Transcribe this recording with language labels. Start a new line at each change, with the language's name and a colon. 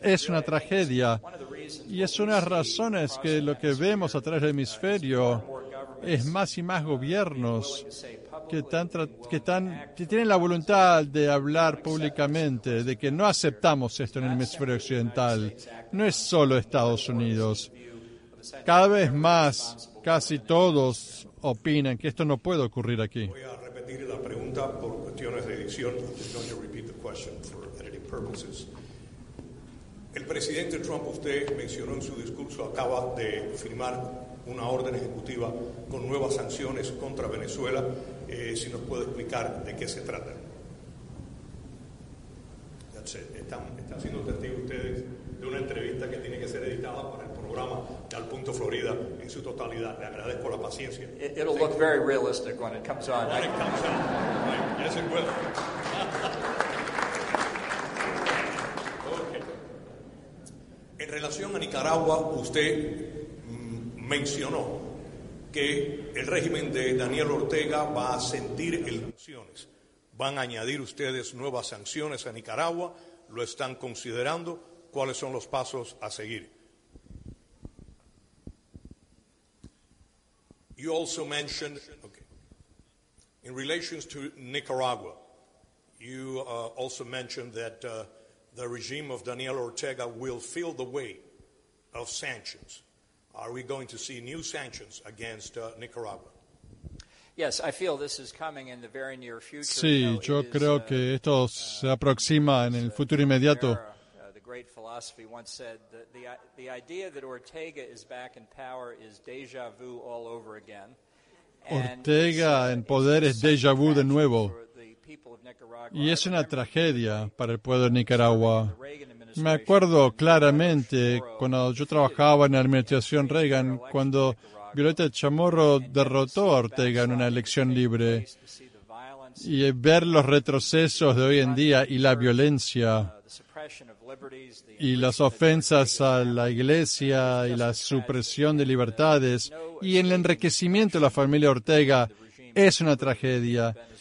Spanish: Es una tragedia. Y es una de las razones que lo que vemos a través del hemisferio es más y más gobiernos que tienen la voluntad de hablar públicamente de que no aceptamos esto en el hemisferio occidental. No es solo Estados Unidos. Cada vez más, casi todos opinan que esto no puede ocurrir aquí. Voy a repetir la pregunta por cuestiones de edición.
English: I'm going to repeat the question for editing purposes.
Spanish: El presidente Trump, usted mencionó en su discurso, acaba de firmar una orden ejecutiva con nuevas sanciones contra Venezuela. Si nos puede explicar de qué se trata.
English: That's it.
Spanish: Están siendo testigos ustedes de una entrevista que tiene que ser editada para el programa de Al Punto Florida en su totalidad. Le agradezco la paciencia.
English: It'll look very realistic when it comes on. When it comes on. Yes, it will.
Spanish: En relación a Nicaragua, usted mencionó que el régimen de Daniel Ortega va a sentir el sanciones. ¿Van a añadir ustedes nuevas sanciones a Nicaragua? ¿Lo están considerando? ¿Cuáles son los pasos a seguir?
English: You also mentioned, in relation to Nicaragua, you also mentioned that the regime of Daniel Ortega will feel the weight of sanctions. Are we going to see new sanctions against Nicaragua? Yes, I feel this is coming in the very near future.
Spanish: Sí, yo creo que esto se aproxima en el futuro inmediato.
English: The great philosophy once said that the idea that Ortega is back in power is déjà vu all over again.
Spanish: Ortega en poder es déjà vu de nuevo. Y es una tragedia para el pueblo de Nicaragua. Me acuerdo claramente cuando yo trabajaba en la administración Reagan, cuando Violeta Chamorro derrotó a Ortega en una elección libre, y ver los retrocesos de hoy en día y la violencia y las ofensas a la iglesia y la supresión de libertades y el enriquecimiento de la familia Ortega es una tragedia.